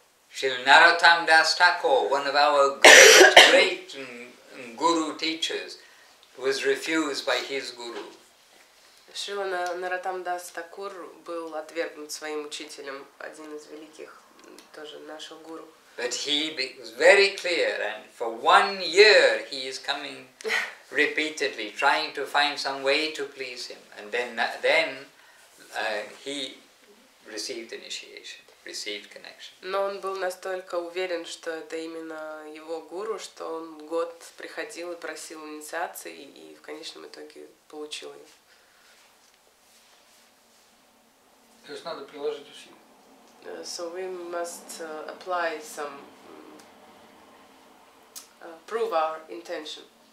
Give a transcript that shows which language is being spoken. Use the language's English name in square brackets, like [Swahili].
[English] Шрил Наротам Дас Такур, one of our great, great guru teachers, was refused by his guru. [Russian] Шрил Наротам Дас Такур был отвергнут своим учителем, один из великих тоже наших гуру. [English] But he was very clear, and for one year he is coming repeatedly, trying to find some way to please him, and then he received initiation, received connection. [Russian] Но он был настолько уверен, что это именно его гуру, что он год приходил и просил инициации, и в конечном итоге получил ее. То есть надо приложить усилия. [English] So we must apply some, prove our intention.